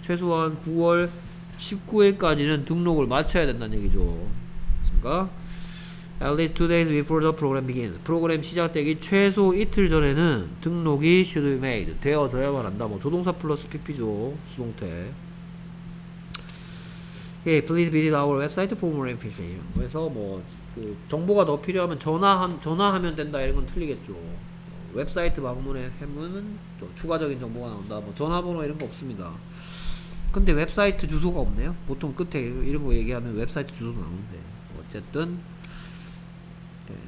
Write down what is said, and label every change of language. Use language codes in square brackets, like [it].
[ko] 최소한 9월 19일까지는 등록을 마쳐야 된다는 얘기죠. 됐습니까? [en] At least 2 days before the program begins. [ko] 프로그램 시작되기 최소 이틀 전에는 등록이 [en] should be made. [ko] 되어져야만 한다. 뭐 조동사 플러스 PP죠. 수동태. [en] Okay, please visit our website for more information. [ko] 그래서 뭐 그 정보가 더 필요하면 전화하면 된다 이런 건 틀리겠죠. 웹사이트 방문하면 또 추가적인 정보가 나온다. 뭐 전화번호 이런 거 없습니다. 근데 웹사이트 주소가 없네요. 보통 끝에 이런 거 얘기하면 웹사이트 주소도 나오는데 어쨌든. 네.